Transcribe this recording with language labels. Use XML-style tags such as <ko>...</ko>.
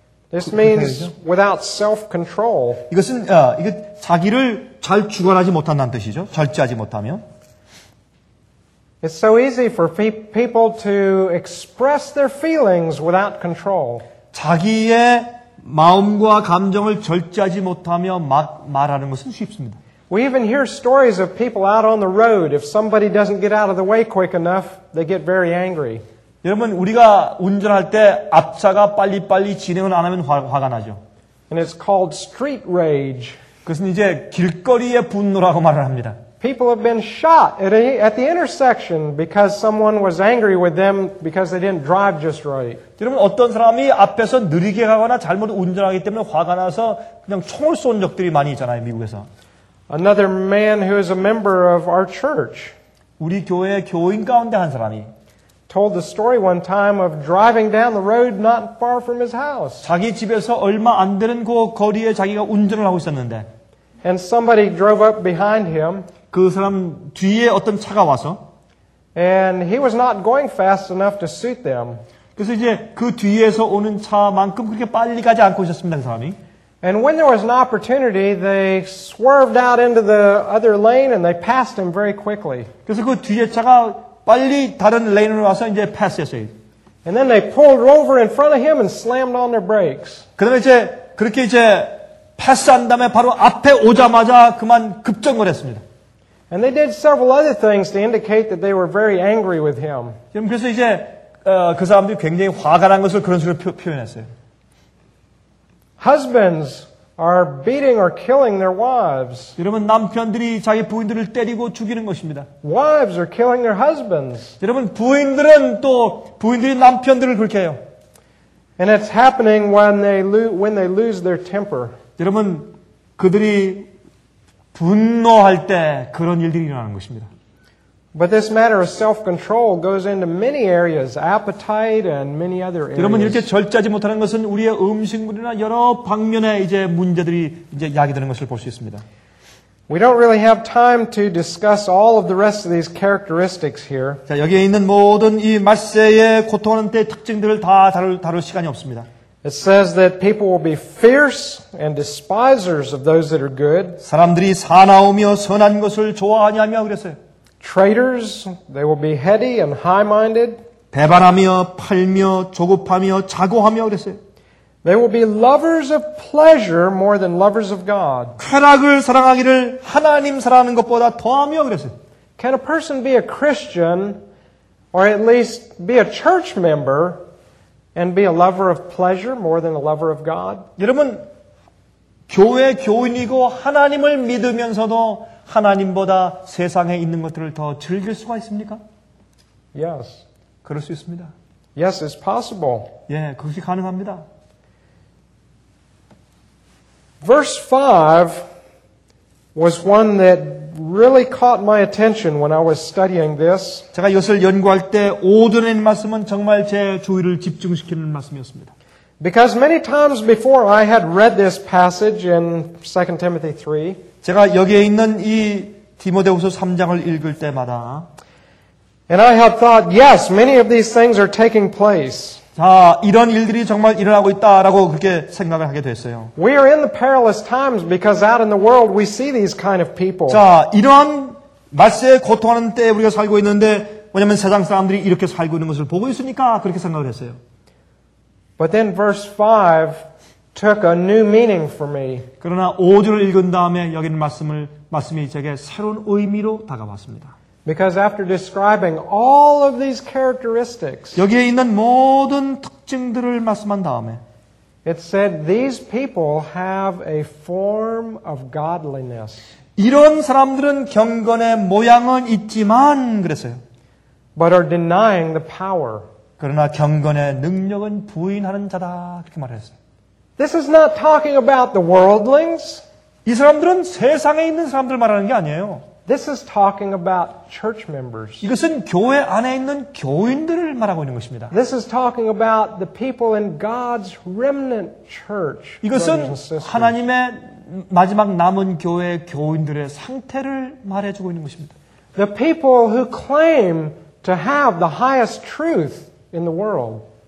<en>This means without self-control.</en> <ko>이것은 이거 자기를 잘 주관하지 못한다는 뜻이죠. 절제하지 못하며.</ko> <en>It's so easy for people to express their feelings without control.</en> <ko>자기의 마음과 감정을 절제하지 못하며 막 말하는 것은 쉽습니다.</ko> <en>We even hear stories of people out on the road. If somebody doesn't get out of the way quick enough, they get very angry.</en> <ko>여러분, 우리가 운전할 때 앞차가 빨리빨리 진행을 안 하면 화가 나죠.</ko> <en>And it's called street rage.</en> <ko>그것은 이제 길거리의 분노라고 말을 합니다.</ko> <en>People have been shot at the intersection because someone was angry with them because they didn't drive just right.</en> <ko>여러분, 어떤 사람이 앞에서 느리게 가거나 잘못 운전하기 때문에 화가 나서 그냥 총을 쏜 적들이 많이 있잖아요, 미국에서.</ko> <en>Another man who is a member of our church.</en> <ko>우리 교회의 교인 가운데 한 사람이</ko> <en>told the story one time of driving down the road not far from his house.</en> <ko>자기 집에서 얼마 안 되는 그 거리에 자기가 운전을 하고 있었는데.</ko> <en>And somebody drove up behind him.</en> <ko>그 사람 뒤에 어떤 차가 와서.</ko> <en>And he was not going fast enough to suit them.</en> <ko>그래서 이제 그 뒤에서 오는 차만큼 그렇게 빨리 가지 않고 있었습니다, 그 사람이.</ko> <en>And when there was an opportunity, they swerved out into the other lane and they passed him very quickly.</en> <ko>그래서 그 뒤에 차가 빨리 다른 레인으로 와서 이제 패스했어요.</ko> <en>And then they pulled over in front of him and slammed on their brakes.</en> <ko>그다음에 이제 그렇게 이제 패스한 다음에 바로 앞에 오자마자 그만 급정거를 했습니다.</ko> <en>And they did several other things to indicate that they were very angry with him.</en> <ko>지금 그래서 이제 그 사람들이 굉장히 화가 난 것을 그런 식으로 표현했어요.</ko> <en>Husbands are beating or killing their wives.</en> <ko>여러분 남편들이 자기 부인들을 때리고 죽이는 것입니다.</ko> <en>Wives are killing their husbands.</en> <ko>여러분 부인들은 또 부인들이 남편들을 그렇게 해요.</ko> <en>And it's happening when they lose their temper.</en> <ko>여러분 그들이 분노할 때 그런 일들이 일어나는 것입니다.</ko> <en>But this matter of self-control goes into many areas, appetite and many other areas.</en> <ko>여러분 이렇게 절제하지 못하는 것은 우리의 음식물이나 여러 방면에 이제 문제들이 이제 야기되는 것을 볼 수 있습니다.</ko> <en>We don't really have time to discuss all of the rest of these characteristics here.</en> <ko>자, 여기에 있는 모든 이 말세의 고통하는 때 특징들을 다 다룰 시간이 없습니다.</ko> <en>It says that people will be fierce and despisers of those that are good.</en> <ko>사람들이 사나우며 선한 것을 좋아하냐며 그랬어요.</ko> <en>Traitors, they will be heady and high-minded.</en> <ko>배반하며 팔며 조급하며 자고하며 그랬어요.</ko> <en>They will be lovers of pleasure more than lovers of God.</en> <ko>쾌락을 사랑하기를 하나님 사랑하는 것보다 더하며 그랬어요.</ko> <en>Can a person be a Christian or at least be a church member and be a lover of pleasure more than a lover of God?</en> <ko>여러분 교회 교인이고 하나님을 믿으면서도 하나님보다 세상에 있는 것들을 더 즐길 수가 있습니까?</ko> <en>Yes.</en> <ko>그럴 수 있습니다.</ko> <en>Yes, it's possible.</en> <ko>예, 그것이 가능합니다.</ko> <en>Verse 5 was one that really caught my attention when I was studying this.</en> <ko>제가 이것을 연구할 때 5절의 말씀은 정말 제 주의를 집중시키는 말씀이었습니다.</ko> <en>Because many times before I had read this passage in 2 Timothy 3,</en> <ko>제가 여기에 있는 이 디모데후서 3장을 읽을 때마다</ko> <en>And I have thought, yes, many of these things are taking place.</en> <ko>자, 이런 일들이 정말 일어나고 있다라고 그렇게 생각을 하게 됐어요.</ko> <en>We are in the perilous times because out in the world we see these kind of people.</en> <ko>자, 이런 말세에 고통하는 때 우리가 살고 있는데 왜냐면 세상 사람들이 이렇게 살고 있는 것을 보고 있으니까 그렇게 생각을 했어요.</ko> <en>But then verse 5 took a new meaning for me.</en> <ko>그러나 5절을 읽은 다음에 여기 있는 말씀이 제게 새로운 의미로 다가왔습니다.</ko> <en>Because after describing all of these characteristics,</en> <ko>여기에 있는 모든 특징들을 말씀한 다음에,</ko> <en>it said these people have a form of godliness.</en> <ko>이런 사람들은 경건의 모양은 있지만 그랬어요.</ko> <en>But are denying the power.</en> <ko>그러나 경건의 능력은 부인하는 자다 그렇게 말했어요.</ko> <en>This is not talking about the worldlings.</en> <ko>이 사람들은 세상에 있는 사람들 말하는 게 아니에요.</ko> <en>This is talking about church members.</en> <ko>이것은 교회 안에 있는 교인들을 말하고 있는 것입니다.</ko> <en>This is talking about the people in God's remnant church.</en> <ko>이것은 하나님의 마지막 남은 교회 교인들의 상태를 말해주고 있는 것입니다.</ko> <en>The people who claim to have the highest truth in the world.</en>